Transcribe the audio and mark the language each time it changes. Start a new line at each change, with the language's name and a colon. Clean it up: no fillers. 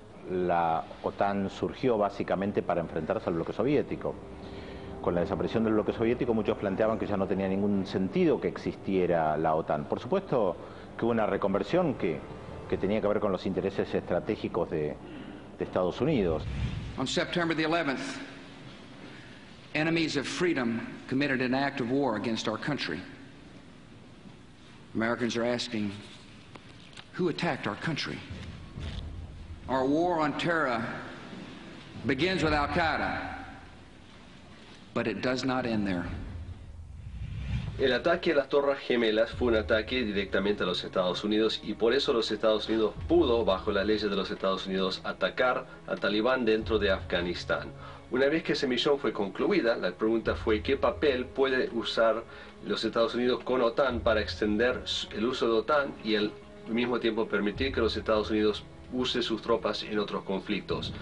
Spanish: La OTAN surgió básicamente para enfrentarse al bloque soviético. Con la desaparición del bloque soviético, muchos planteaban que ya no tenía ningún sentido que existiera la OTAN. Por supuesto que hubo una reconversión que tenía que ver con los intereses estratégicos de Estados Unidos.
English: On September the 11th, enemies of freedom committed an act of war against our country. Americans are asking, who attacked our country? Our war on terror begins with Al-Qaeda, but it does not end there.
Spanish: El ataque a las Torres Gemelas fue un ataque directamente a los Estados Unidos, y por eso los Estados Unidos pudo, bajo las leyes de los Estados Unidos, atacar a Talibán dentro de Afganistán. Una vez que esa misión fue concluida, la pregunta fue qué papel puede usar los Estados Unidos con OTAN para extender el uso de OTAN y al mismo tiempo permitir que los Estados Unidos use sus tropas en otros conflictos.